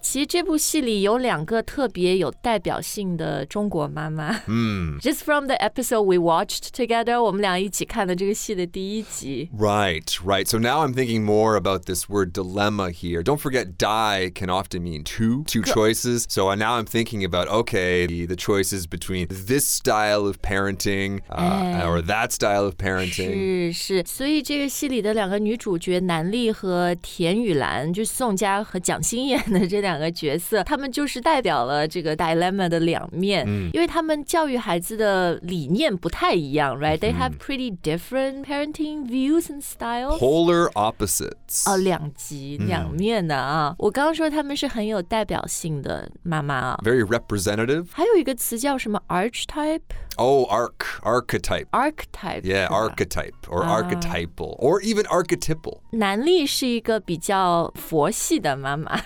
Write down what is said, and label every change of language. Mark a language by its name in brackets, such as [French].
[Chinese] 其实这部戏里有两个特别有代表性的中国妈妈、 [English] Just from the episode we watched together, [Chinese] 我们俩一起看了这个戏的第一集。 [English] Right, right. So now I'm thinking more about this word dilemma here. Don't forget, die can often mean two choices. So now I'm thinking about, okay, the choices between this style of parenting、or that style of parenting. [Chinese] 是是，所以这个戏里的两个女主角南俐和田雨岚，就是宋佳和蒋欣演的这两个角色，她们就是代表了这个 dilemma 的两面、因为她们教育孩子的理念不太一样 right? [English] They have pretty different parenting views and styles. Polar opposites. [Chinese] 哦，两极、两面的啊。我刚刚说她们是很有代表性的妈妈啊。 [English] Very representative. [Chinese] 还有一个词叫什么 archetype? [English] Oh, archetype. Archetype. Yeah, archetype or archetypal or even archetypal. [Chinese] 南俐是一个比较佛系的妈妈。